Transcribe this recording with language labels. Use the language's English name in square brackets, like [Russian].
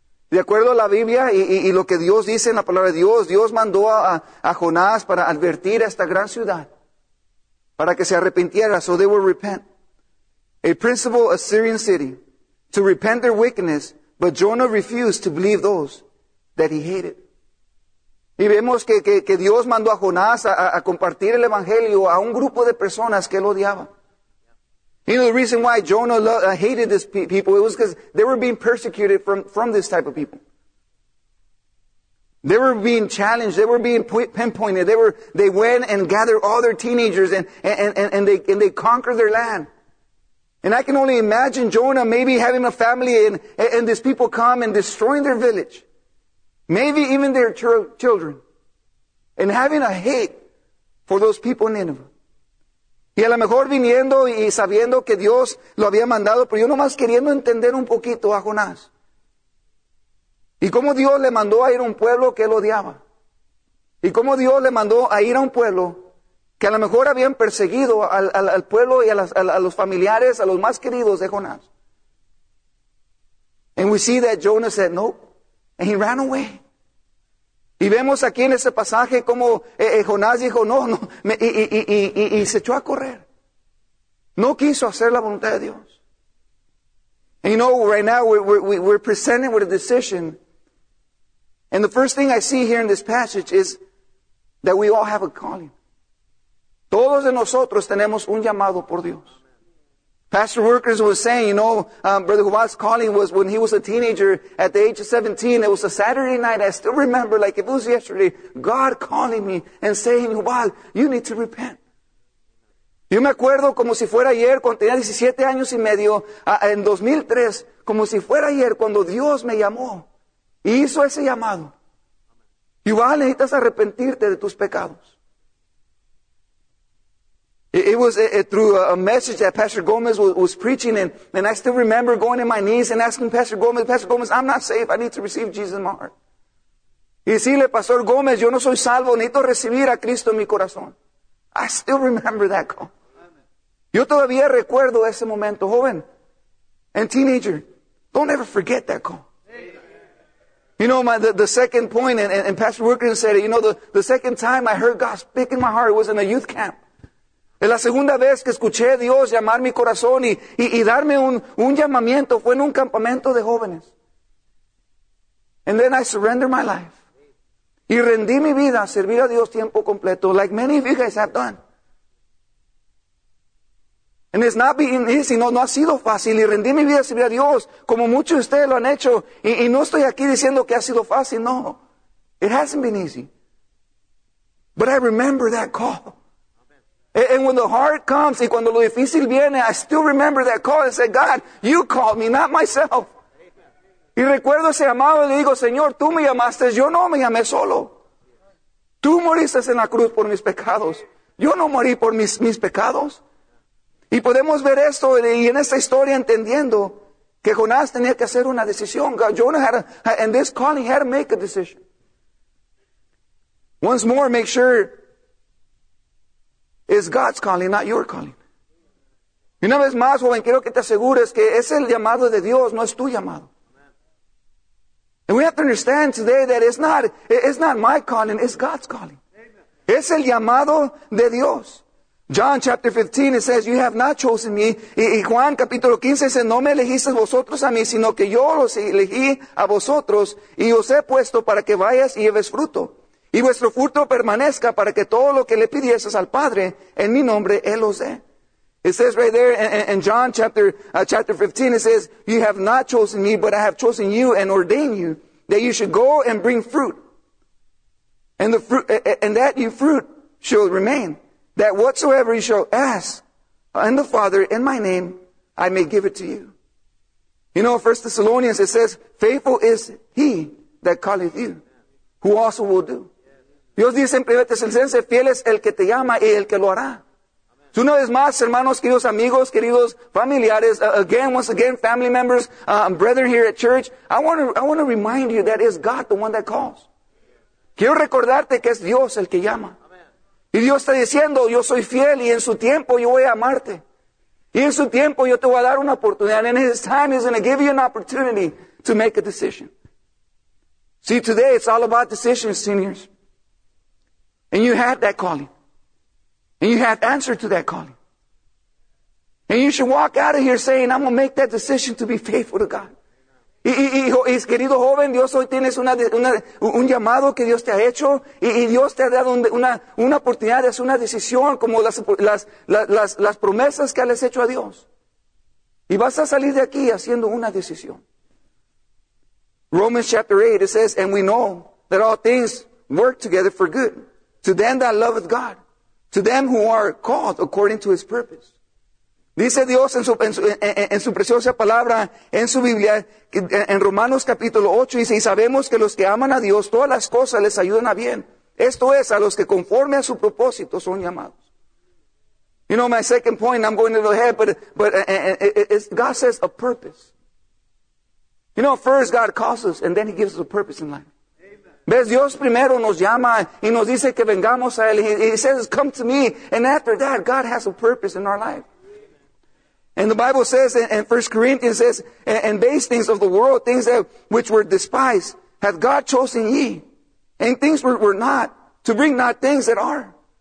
[Spanish] De acuerdo a la Biblia y lo que Dios dice en la palabra de Dios, Dios mandó a Jonás para advertir a esta gran ciudad, para que se arrepintiera, [English] so they will repent. A principal Assyrian city, to repent their wickedness, but Jonah refused to believe those that he hated. [Spanish] Y vemos que Dios mandó a Jonás a compartir el Evangelio a un grupo de personas que él odiaba. [English] You know, the reason why Jonah hated these people, it was because they were being persecuted from this type of people. They were being challenged. They were being pinpointed. They went and gathered all their teenagers and they conquered their land. And I can only imagine Jonah maybe having a family and these people come and destroying their village. Maybe even their children. And having a hate for those people in Nineveh. [Spanish] Y a lo mejor viniendo y sabiendo que Dios lo había mandado, pero yo nomás queriendo entender un poquito a Jonás. Y cómo Dios le mandó a ir a un pueblo que él odiaba. Y cómo Dios le mandó a ir a un pueblo que a lo mejor habían perseguido al pueblo y a los familiares, a los más queridos de Jonás. [English] And we see that Jonah said no, and he ran away. [Spanish] Y vemos aquí en ese pasaje como Jonás dijo, no, y se echó a correr. No quiso hacer la voluntad de Dios. [English] And you know, right now we're presented with a decision. And the first thing I see here in this passage is that we all have a calling. [Spanish] Todos de nosotros tenemos un llamado por Dios. [English] Pastor Workers was saying, you know, Brother Juan's calling was when he was a teenager at the age of 17. It was a Saturday night. I still remember, like if it was yesterday, God calling me and saying, Juan, you need to repent. [Spanish] Yo me acuerdo como si fuera ayer, cuando tenía 17 años y medio, en 2003, como si fuera ayer, cuando Dios me llamó y hizo ese llamado. Juan, necesitas arrepentirte de tus pecados. [English] It was through a message that Pastor Gomez was preaching, and I still remember going to my knees and asking Pastor Gomez, I'm not saved. I need to receive Jesus in my heart. [Spanish] Y decirle, Pastor Gomez, yo no soy salvo. Necesito recibir a Cristo en mi corazón. [English] I still remember that call. [Spanish] Yo todavía recuerdo ese momento, joven [English] and teenager. Don't ever forget that call. You know, the second point, and Pastor Wilkerson said it, you know, the second time I heard God speak in my heart, it was in a youth camp. [Spanish] Es la segunda vez que escuché a Dios llamar mi corazón y darme un llamamiento. Fue en un campamento de jóvenes. [English] And then I surrendered my life. [Spanish] Y rendí mi vida a servir a Dios tiempo completo, [English] like many of you guys have done. And it's not been easy. [Spanish] No, no ha sido fácil. Y rendí mi vida a Dios, como muchos de ustedes lo han hecho. Y no estoy aquí diciendo que ha sido fácil. [English] No. It hasn't been easy. But I remember that call. And when the hard comes, [Spanish] y cuando lo difícil viene, [English] I still remember that call and say, God, you called me, not myself. [Spanish] Y recuerdo ese llamado y le digo, Señor, tú me llamaste, yo no me llamé solo. Tú moriste en la cruz por mis pecados. Yo no morí por mis pecados. Y podemos ver esto y en esta historia entendiendo que Jonás tenía que hacer una decisión. [English] Jonah had in this calling, he had to make a decision. Once more, make sure it's God's calling, not your calling. [Spanish] Y una vez más, joven, quiero que te asegures que es el llamado de Dios, no es tu llamado. [English] And we have to understand today that it's not my calling, it's God's calling. Amen. [Spanish] Es el llamado de Dios. [English] John chapter 15, it says, you have not chosen me. [Spanish] Y Juan capítulo 15 dice, no me elegiste vosotros a mí, sino que yo los elegí a vosotros, y os he puesto para que vayas y lleves fruto. Y vuestro fruto permanezca para que todo lo que le pidieses al Padre, en mi nombre, Él os dé. [English] It says right there in John chapter 15, it says, you have not chosen me, but I have chosen you and ordained you, that you should go and bring fruit. And the fruit, and that your fruit shall remain, that whatsoever you shall ask in the Father in my name, I may give it to you. You know, 1 Thessalonians, it says, faithful is he that calleth you, who also will do. [Spanish] Dios dice en 1 Tesalonicenses, fiel es el que te llama y el que lo hará. Una vez más, hermanos, queridos amigos, queridos familiares, [English] once again, family members, brethren here at church, I want to remind you that it's God the one that calls. [Spanish] Quiero recordarte que es Dios el que llama. Y Dios está diciendo, yo soy fiel y en su tiempo yo voy a amarte. Y en su tiempo yo te voy a dar una oportunidad. [English] And in his time, he's going to give you an opportunity to make a decision. See, today it's all about decisions, seniors. And you had that calling. And you have answered to that calling. And you should walk out of here saying, I'm going to make that decision to be faithful to God. [Spanish] Y querido joven, Dios hoy tienes un llamado que Dios te ha hecho. Y Dios te ha dado una oportunidad de hacer una decisión como las promesas que has hecho a Dios. Y vas a salir de aquí haciendo una decisión. [English] Romans chapter 8, it says, and we know that all things work together for good to them that loveth God. To them who are called according to his purpose. [Spanish] Dice Dios en su preciosa palabra, en su Biblia, en Romanos capítulo 8, dice, y sabemos que los que aman a Dios, todas las cosas les ayudan a bien. Esto es, a los que conforme a su propósito son llamados. [English] You know, my second point, I'm going a little ahead, but God says a purpose. You know, first God calls us, and then he gives us a purpose in life. [Spanish] ¿Ves? Dios primero nos llama y nos dice que vengamos a Él. [English] He says, come to me. And after that, God has a purpose in our life. And the Bible says, in 1 Corinthians says, and base things of the world, things that which were despised, hath God chosen ye. And things were not, to bring not things that are.